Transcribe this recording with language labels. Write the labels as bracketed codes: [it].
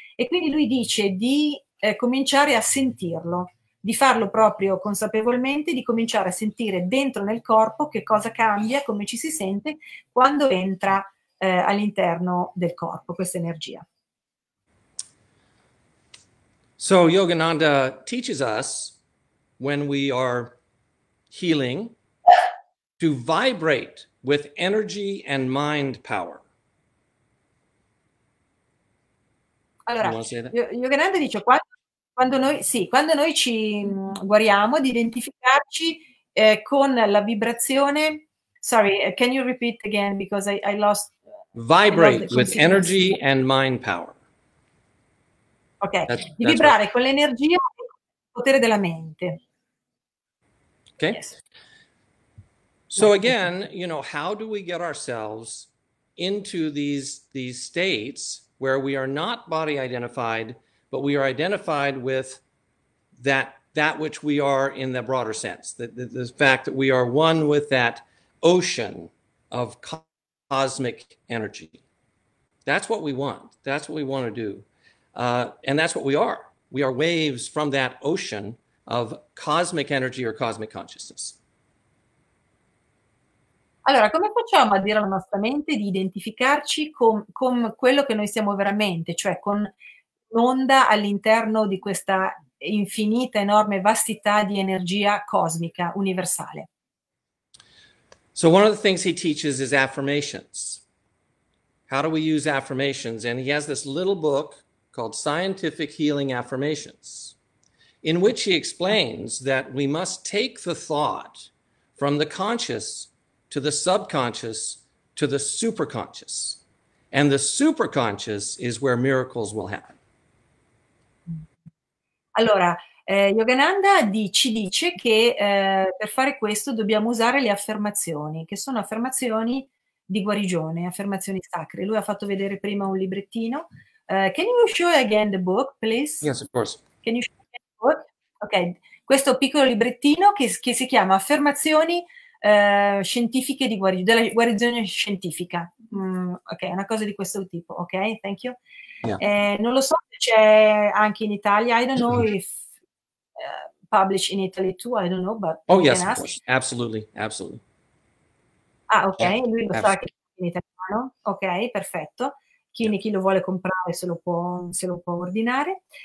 [it] E quindi lui dice di cominciare a sentirlo, di farlo proprio consapevolmente, di cominciare a sentire dentro nel corpo che cosa cambia, come ci si sente quando entra all'interno del corpo questa energia. [en] So Yogananda teaches us when we are healing to vibrate with energy and mind power. [it] Allora, Yogananda dice quando noi ci guariamo, di identificarci con la vibrazione. [en] Sorry, can you repeat again because I lost. Vibrate with energy and mind power. [it] Ok, [en] that's [it] di vibrare [en] right. [it] Con l'energia e con il potere della mente. [en] Ok. Yes. So again, you know, how do we get ourselves into these states where we are not body identified, but we are identified with that which we are in the broader sense, the fact that we are one with that ocean of cosmic energy. That's what we want. That's what we want to do. And that's what we are. We are waves from that ocean of cosmic energy or cosmic consciousness. [it] Allora, come facciamo a dire alla nostra mente di identificarci con quello che noi siamo veramente, cioè con l'onda all'interno di questa infinita, enorme vastità di energia cosmica, universale? [en] So one of the things he teaches is affirmations. How do we use affirmations? And he has this little book called Scientific Healing Affirmations. in which he explains that we must take the thought from the conscious to the subconscious to the superconscious. And the superconscious is where miracles will happen. [it] Allora, Yogananda ci dice che per fare questo dobbiamo usare le affermazioni, che sono affermazioni di guarigione, affermazioni sacre. Lui ha fatto vedere prima un librettino. [en] Can you show again the book, please? Yes, of course. Can you show again the book? [it] Ok, questo piccolo librettino che si chiama Affermazioni scientifiche di guarigione, della guarigione scientifica. Ok, una cosa di questo tipo. Ok, [en] thank you. Yeah. [it] Non lo so se c'è anche in Italia. [en] I don't know if published in Italy too. I don't know, but oh yes, of course. Absolutely, absolutely. [it] Ah, ok, yeah, lui lo sa che è in italiano. Ok, perfetto. Chi lo vuole comprare se lo può ordinare.